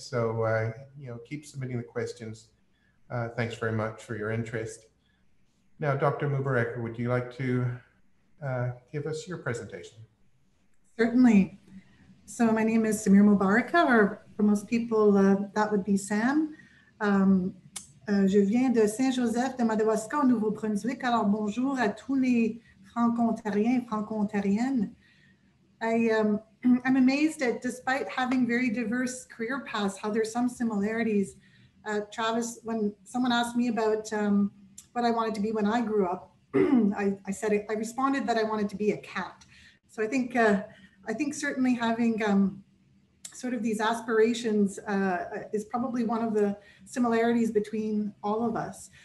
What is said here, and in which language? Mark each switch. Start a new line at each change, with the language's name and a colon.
English: So keep submitting the questions. Thanks very much for your interest. Now, Dr. Mubareka, would you like to give us your presentation? Certainly. So my name is Samira Mubareka, or for most people, that would be Sam.
French: Je viens de Saint-Joseph de Madawaska, Nouveau-Brunswick. Alors bonjour à tous les Franco-Ontariens, Franco-Ontariennes.
English: I'm amazed at, despite having very diverse career paths, how there's some similarities. Travis, when someone asked me about what I wanted to be when I grew up, I responded that I wanted to be a cat. So I think certainly having sort of these aspirations is probably one of the similarities between all of us.